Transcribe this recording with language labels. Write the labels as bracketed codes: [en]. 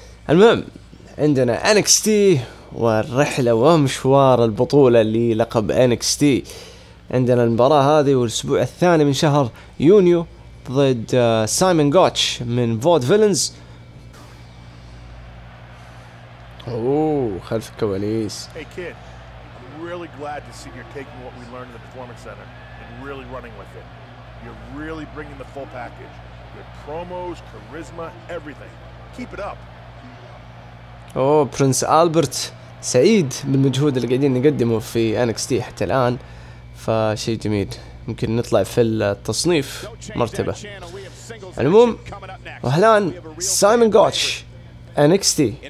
[ar] المهم عندنا NXT والرحلة ومشوار البطولة اللي لقب NXT. عندنا المباراة هذه والاسبوع الثاني من شهر يونيو ضد سايمون غوتش من فود فيلنز. خلف الكواليس. [en] Hey kid, really glad to see you're taking what we learned in the performance center and really running with it. You're really bringing the full package. Your promos, charisma, everything. Keep it up. [ar] برنس ألبرت سعيد بالمجهود اللي قاعدين نقدمه في NXT حتى الآن. فشيء جميل. ممكن نطلع في التصنيف مرتبة. المهم وهلان سايمون غوتش NXT.